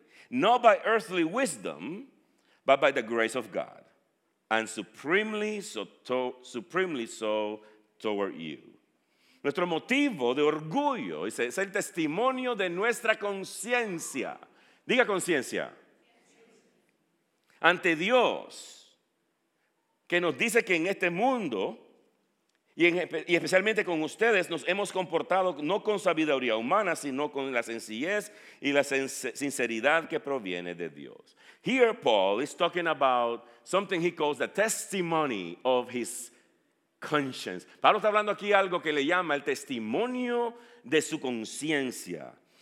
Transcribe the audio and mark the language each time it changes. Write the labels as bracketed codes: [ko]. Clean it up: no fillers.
[en] not by earthly wisdom, but by the grace of God, and supremely so toward you." [es] Nuestro motivo de orgullo es el testimonio de nuestra conciencia. Diga conciencia. Ante Dios, que nos dice que en este mundo, y especialmente con ustedes, nos hemos comportado no con sabiduría humana, sino con la sencillez y la sinceridad que proviene de Dios. [en] Here Paul is talking about something he calls the testimony of his conscience. [es] Pablo está hablando aquí algo que le llama el testimonio de su conciencia.